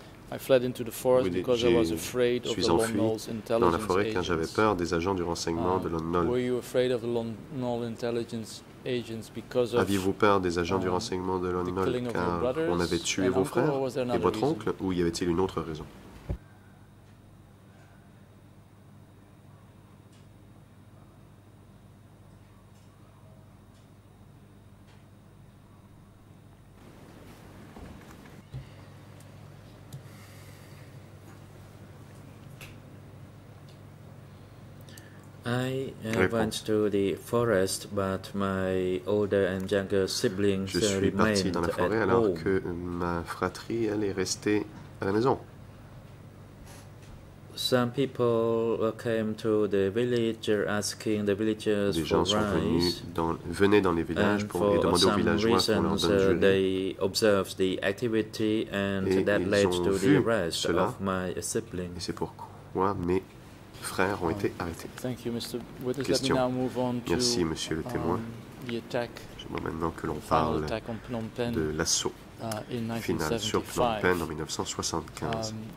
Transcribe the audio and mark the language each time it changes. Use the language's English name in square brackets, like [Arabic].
[English] I fled into the forest because I was afraid of the Lon-Nol's intelligence agents. [French] Agents du renseignement de Lon-Nol. [English] Were you afraid of the Lon-Nol intelligence agents because of [French] aviez-vous peur des agents du renseignement de Lon-Nol car on avait tué vos frères et votre oncle, ou y avait-il une autre raison? [English] I went to the forest, but my older and younger siblings remained at home. [French] Je suis parti dans la forêt alors que ma fratrie allait rester à la maison. [English] Some people came to the village asking the villagers for rice. [French] Des gens sont venus venaient dans les villages pour les demander aux villageois pour leur donner du riz. [English] They observed the activity and that led to the arrest of my siblings. [French] Et c'est pourquoi mes frères ont été arrêtés. [English] Thank you, Mr. Witness. Question. Let me now move on to, [French] merci, Monsieur le témoin. J'aimerais maintenant que l'on parle de l'assaut final sur Phnom Penh en 1975.